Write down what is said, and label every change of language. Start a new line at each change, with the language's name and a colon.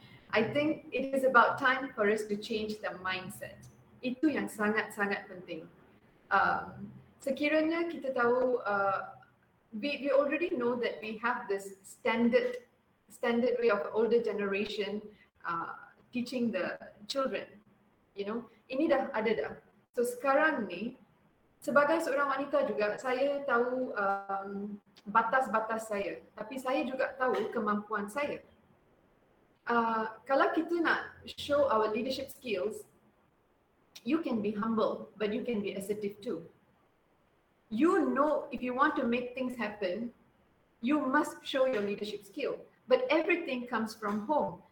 English: I think it is about time for us to change the mindset.
Malay: Itu yang sangat-sangat penting. Sekiranya kita tahu,
English: we already know that we have this standard way of older generation teaching the children. You know,
Malay: ini dah ada dah. So sekarang ni, sebagai seorang wanita juga, saya tahu batas-batas saya. Tapi saya juga tahu kemampuan saya. Kalau kita nak
English: show our leadership skills, you can be humble, but you can be assertive too. You know, if you want to make things happen, you must show your leadership skill. But everything comes from home.